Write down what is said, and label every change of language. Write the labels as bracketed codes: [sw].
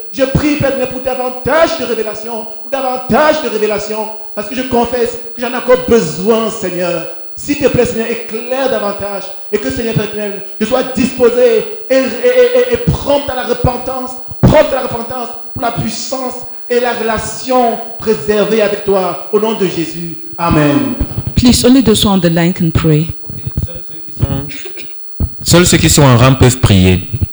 [fr] Je prie, Père, pour davantage de révélations, pour davantage de révélations, parce que je confesse que j'en ai encore besoin, Seigneur. S'il te plaît, Seigneur, éclaire davantage, et que, Seigneur, Père, je sois disposé et prompt à la repentance, prompt à la repentance pour la puissance et la relation préservée avec toi, au nom de Jésus. Amen. [en] Please, only those who are on the line can pray. [fr] Seuls ceux qui sont en rang peuvent prier.